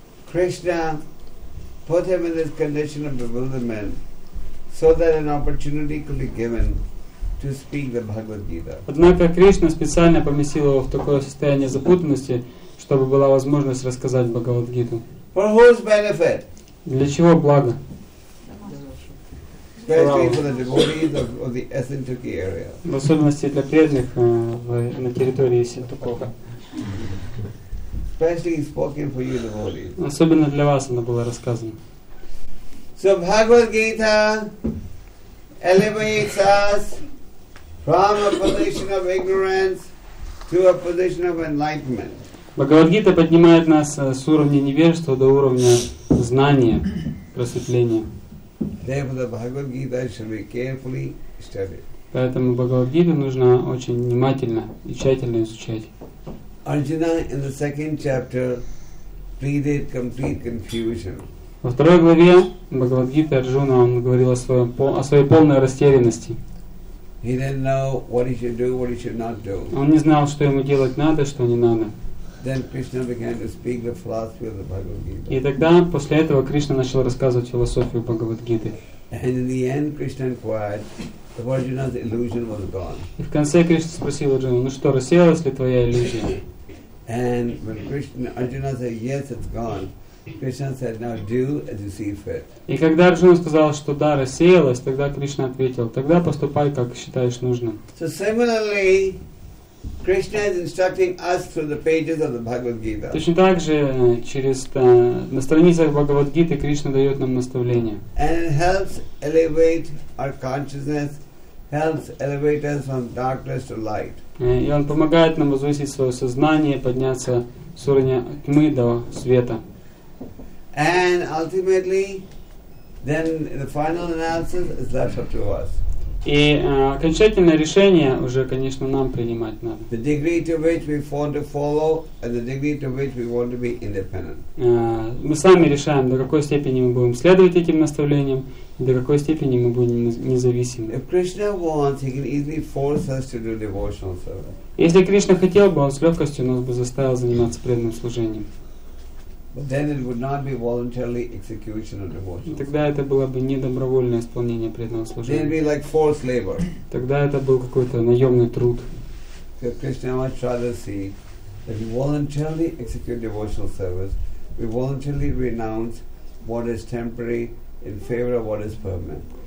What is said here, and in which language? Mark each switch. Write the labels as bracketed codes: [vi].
[en] Krishna put him in this condition of bewilderment so that an opportunity could be given to speak the Bhagavad Gita. [ru] Однако Кришна специально поместил его в такое состояние запутанности, чтобы была возможность рассказать Бхагавад-гиту. [en] For whose benefit? [ru] Для чего благо? В особенности для преданных на территории Сентукока. Особенно для вас она была рассказана. [en] So Bhagavad Gita elevates us from a position of ignorance to a position of enlightenment. [ru] Бхагавад-гита поднимает нас с уровня невежества до уровня знания, просветления. [en] Therefore, the Bhagavad Gita should be carefully studied. [ru] Поэтому Бхагавад-гиту нужно очень внимательно и тщательно изучать. [en] Arjuna in the second chapter pleaded complete confusion. [ru] Во второй главе Бхагавад-гита Арджуна он говорил о своей полной растерянности. [en] He didn't know what he should do, what he should not do. [ru] Он не знал, что ему делать надо, что не надо. [en] Then Krishna began to speak the philosophy of the Bhagavad Gita. [ru] И тогда после этого Кришна начал рассказывать философию Бхагавад-гиты. [en] And in the end, Krishna inquired, "The Arjuna's illusion was gone." [ru] И в конце Кришна спросил Арджуну: "Ну что, рассеялась ли твоя иллюзия?" [en] And when Arjuna said, "Yes, it's gone," Krishna said, "Now do as you see fit." [ru] И когда Арджуна сказал, что да, рассеялась, тогда Кришна ответил: "Тогда поступай, как считаешь нужным." [en] So similarly, Krishna is instructing us through the pages of the Bhagavad Gita. [ru] Точно так же через на страницах Бхагавад Гиты Кришна дает нам наставление. [en] And it helps elevate our consciousness, helps elevate us from darkness to light. [ru] И он помогает нам возвысить свое сознание, подняться с уровня тьмы до света. [en] And ultimately, then the final analysis is left up to us. [ru] И окончательное решение уже, конечно, нам принимать надо. [en] The degree to which we want to follow and the degree to which we want to be independent. [ru] Мы сами решаем, до какой степени мы будем следовать этим наставлениям, до какой степени мы будем независимы. [en] If Krishna wants, he can easily force us to do devotional service. [ru] Если Кришна хотел бы, он с легкостью нас бы заставил заниматься преданным служением. [en] But then it would not be voluntarily execution of devotion. [ru] Тогда это было бы не добровольное исполнение преданного служения. [en] Then it would be like forced labor. [ru] Тогда это был какой-то наемный труд. [en] Because Krishna much rather see that we voluntarily execute devotional service, we voluntarily renounce what is temporary in favor of what is permanent.